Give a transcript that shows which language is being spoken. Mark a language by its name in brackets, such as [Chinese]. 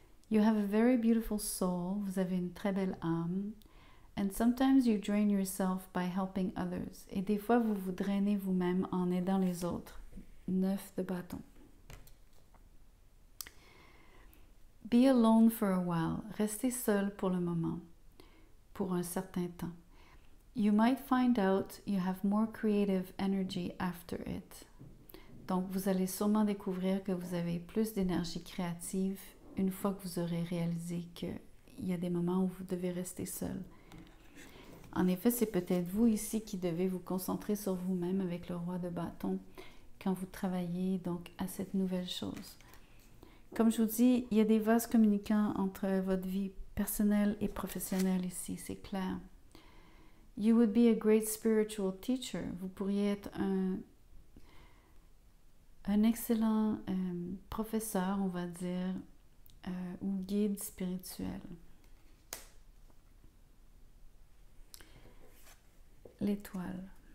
[English] You have a very beautiful soul, [French] vous avez une très belle âme, [English] and sometimes you drain yourself by helping others. [French] Et des fois, vous vous drainez vous-même en aidant les autres. 9 de bâton. [English] Be alone for a while. [French] Restez seul pour le moment, pour un certain temps. [English] You might find out you have more creative energy after it. [French] Donc, vous allez sûrement découvrir que vous avez plus d'énergie créative une fois que vous aurez réalisé qu'il y a des moments où vous devez rester seul. En effet, c'est peut-être vous ici qui devez vous concentrer sur vous-même avec le roi de bâton quand vous travaillez donc à cette nouvelle chose. Comme je vous dis, il y a des vases communicants entre votre vie personnelle et professionnelle ici, c'est clair. [English] You would be a great spiritual teacher. [French] Vous pourriez être un excellent professeur, on va dire, ou guide spirituel. L'étoile.